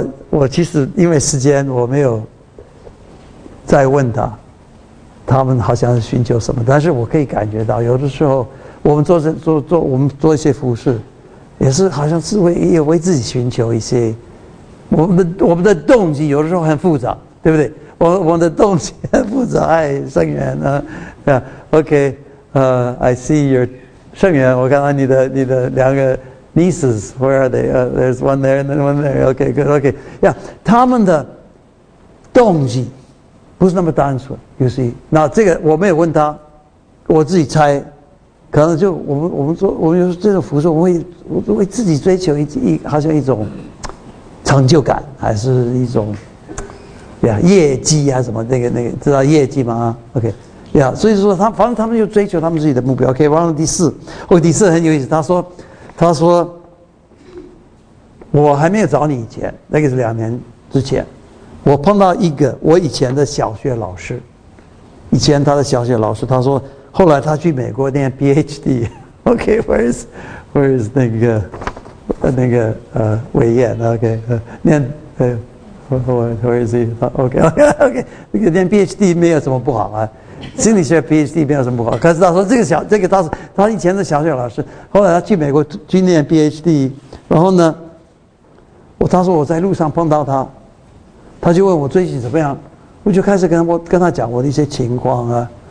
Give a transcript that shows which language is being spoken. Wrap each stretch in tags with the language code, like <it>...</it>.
<zh>我其实因为时间我没有再问他们好像是寻求什么，但是我可以感觉到有的时候我们做一些服事，也是好像是为自己寻求一些，我们的动机有的时候很复杂，对不对？我们的动机很复杂。哎，圣元呢？</zh> <en>OK， I see your 圣元，</en> <zh>我看到你的两个</zh> <en>nieces， where are they？ There's one there and then one there。 OK， good。</en> <zh>OK， yeah， 他们的动机不是那么单纯。</zh> <en>You see，</en> <zh>那这个我没有问他，我自己猜。可能就我们有这种服饰，我会自己追求一好像一种成就感，还是一种业绩啊什么，那个知道业绩吗 ？OK， 呀，所以说他反正他们就追求他们自己的目标。 OK， 然后第四很有意思，他说我还没有找你以前，那个是两年之前，我碰到一个我以前的小学老师，以前他的小学老师，他说。后来他去美国念 PhD， OK，</zh> <en>where is</en> <zh>那个伟彦 ，OK， 念</zh> <en>where is he？</en> <zh>OK， OK， OK， 念 PhD 没有什么不好啊，心理学 PhD 没有什么不好。可是他说这个他以前的小学老师，后来他去美国去念 PhD， 然后呢，他说我在路上碰到他，他就问我最近怎么样，我就开始跟他讲我的一些情况啊。</zh>